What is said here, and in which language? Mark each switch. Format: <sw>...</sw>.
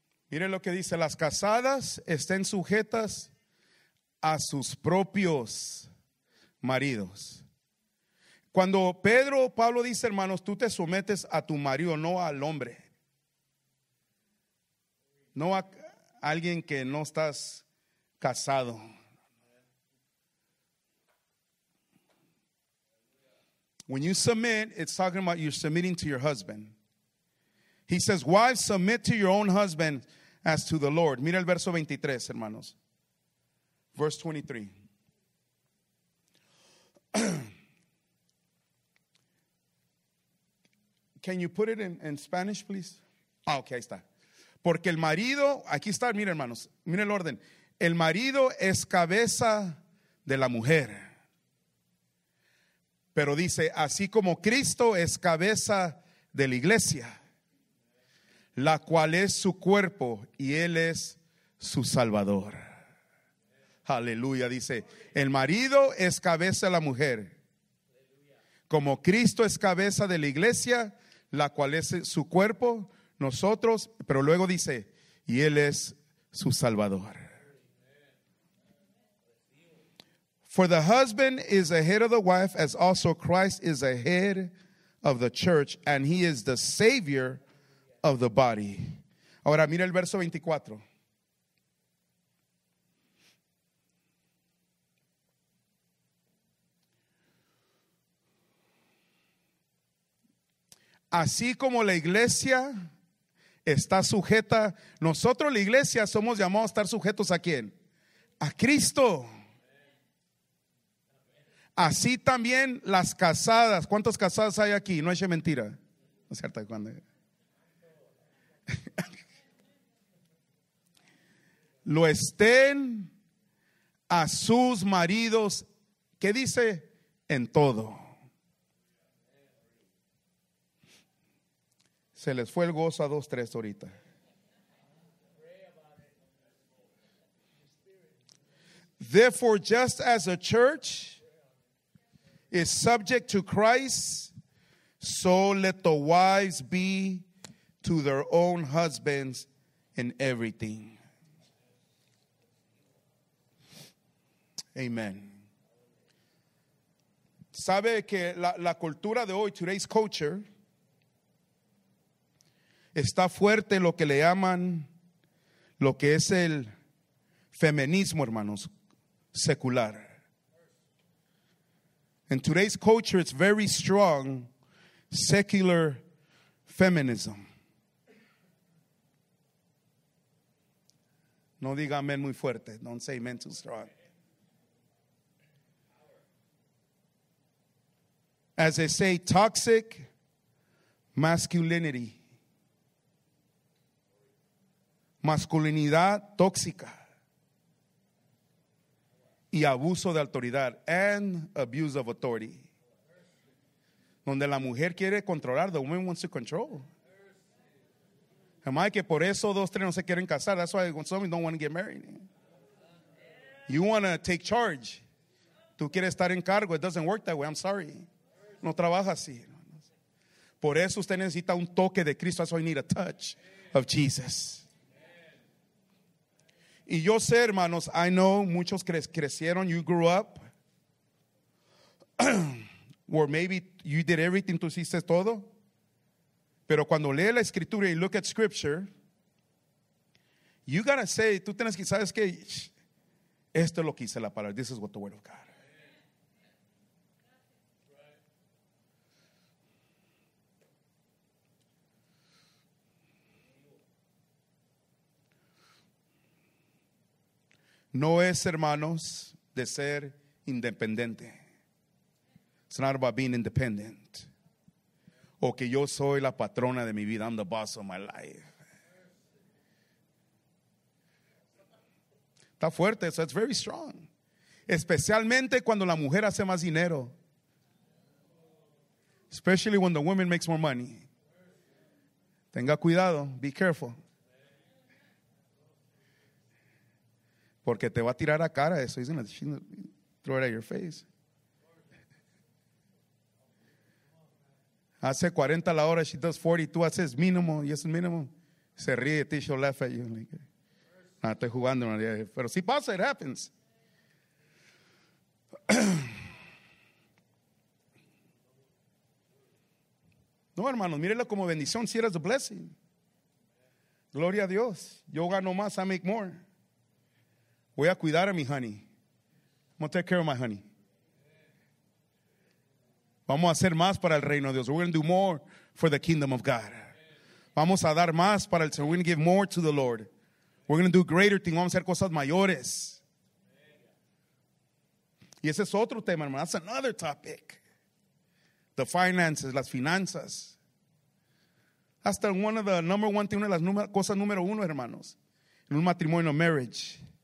<es>Mire lo que dice, las casadas estén sujetas a sus propios maridos. Cuando Pablo dice, hermanos, tú te sometes a tu marido, no al hombre. No a alguien que no estás casado.</es> <en>When you submit, it's talking about you're submitting to your husband. He says, wives, submit to your own husband as to the Lord.</en> <es>Mira el verso 23, hermanos.</es> <en>Verse 23. Can you put it in Spanish, please?</en> <es>Ah, okay, ahí está. Porque el marido, aquí está, mira, hermanos. Mira el orden. El marido es cabeza de la mujer. Pero dice, así como Cristo es cabeza de la iglesia, la cual es su cuerpo y él es su salvador. Aleluya, dice, el marido es cabeza de la mujer, como Cristo es cabeza de la iglesia, la cual es su cuerpo, nosotros, pero luego dice, y él es su salvador.</es> <en>For the husband is the head of the wife, as also Christ is the head of the church, and he is the savior of the body.</en> <es>Ahora mira el verso 24. Así como la iglesia está sujeta, nosotros la iglesia somos llamados a estar sujetos a ¿quién? A Cristo. Así también las casadas. ¿Cuántas casadas hay aquí? No es mentira. No es cierto cuando. Lo estén a sus maridos, ¿qué dice? En todo. Se les fue el gozo a 2-3 ahorita.</es> <en>Therefore, just as a church is subject to Christ, so let the wives be to their own husbands in everything. Amen.</en> <es>Sabe que la cultura de hoy,</es> <en>today's culture,</en> <es>está fuerte lo que le llaman, lo que es el feminismo, hermanos, secular.</es> <en>In today's culture, it's very strong, secular feminism.</en> <es>No diga amén muy fuerte.</es> <en>Don't say amen too strong. As they say, toxic masculinity.</en> <es>Masculinidad tóxica. Y abuso de autoridad.</es> <en>And abuse of authority.</en> <es>Donde la mujer quiere controlar.</es> <en>The woman wants to control.</en> <es>Además, que por eso 2-3 no se quieren casar.</es> <en>That's why some of you don't want to get married. You want to take charge.</en> <es>Tú quieres estar en cargo.</es> <en>It doesn't work that way. I'm sorry.</en> <es>No trabaja así. Por eso usted necesita un toque de Cristo.</es> <en>That's why you need a touch of Jesus.</en> <es>Y yo sé, hermanos,</es> <en>I know</en> <es>muchos crecieron,</es> <en>you grew up, or maybe you did everything,</en> <es>tú hiciste todo. Pero cuando lee la escritura y</es> <en>look at scripture, you gotta say,</en> <es>tú tienes que, ¿sabes qué? Esto es lo que dice la palabra.</es> <en>This is what the word of God.</en> <es>No es, hermanos, de ser independiente.</es> <en>It's not about being independent.</en> <es>O que yo soy la patrona de mi vida.</es> <en>I'm the boss of my life.</en> <es>Está fuerte,</es> <en>so it's very strong.</en> <es>Especialmente cuando la mujer hace más dinero.</es> <en>Especially when the woman makes more money.</en> <es>Tenga cuidado,</es> <en>be careful.</en> <es>Porque te va a tirar a cara eso.</es> <en>He's going to throw it at your face.</en> <es>Hace 40 la hora,</es> <en>she does 40,</en> <es>tú haces mínimo, y es mínimo. Se ríe, te</es> <en>she'll laugh at you. Like,</en> <es>no, estoy jugando, pero sí pasa,</es> <en>it happens.</en> <es>No, hermanos, mírelo como bendición, si eres</es> <en>a blessing.</en> <es>Gloria a Dios. Yo gano más,</es> <en>I make more.</en> <es>Voy a cuidar a mi honey.</es> <en>I'm going to take care of my honey.</en> <es>Vamos a hacer más para el reino de Dios.</es> <en>We're going to do more for the kingdom of God.</en> <es>Vamos a dar más para el Señor.</es> <en>We're going to give more to the Lord. We're going to do greater things.</en> <es>Vamos a hacer cosas mayores. Y ese es otro tema, hermano.</es> <en>That's another topic. The finances,</en> <es>las finanzas. Hasta</es> <en>one of the number one things,</en> <es>una de las cosas número uno, hermanos. En un matrimonio,</es> <en>marriage.</en>